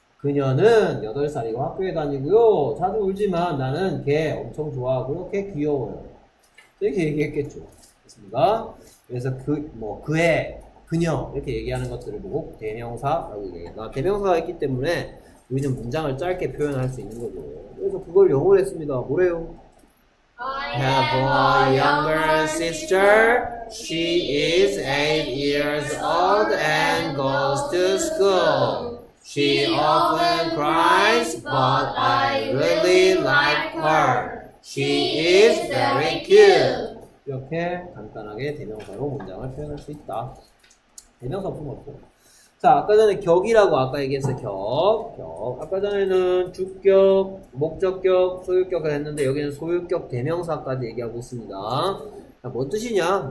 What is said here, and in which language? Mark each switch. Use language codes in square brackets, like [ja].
[ko] 그녀는 8살이고 학교에 다니고요. 자주 울지만 나는 걔 엄청 좋아하고요. 걔 귀여워요. 이렇게 얘기했겠죠. 맞습니다. 그래서 그의 그녀 이렇게 얘기하는 것들을 보고 대명사라고 얘기합니다. 대명사가 있기 때문에 우리는 문장을 짧게 표현할 수 있는 거죠. 그래서 그걸 영어로 했습니다. 뭐래요? [en] I have a younger sister. She is 8 years old and goes to school. She often cries, but I really like her. She is very cute. [ko] 이렇게 간단하게 대명사로 문장을 표현할 수 있다. 대명사 없으면 없죠. 자, 아까 전에 격이라고 아까 얘기했어요. 격. 아까 전에는 주격, 목적격, 소유격을 했는데 여기는 소유격 대명사까지 얘기하고 있습니다. 자, 뭔 뜻이냐?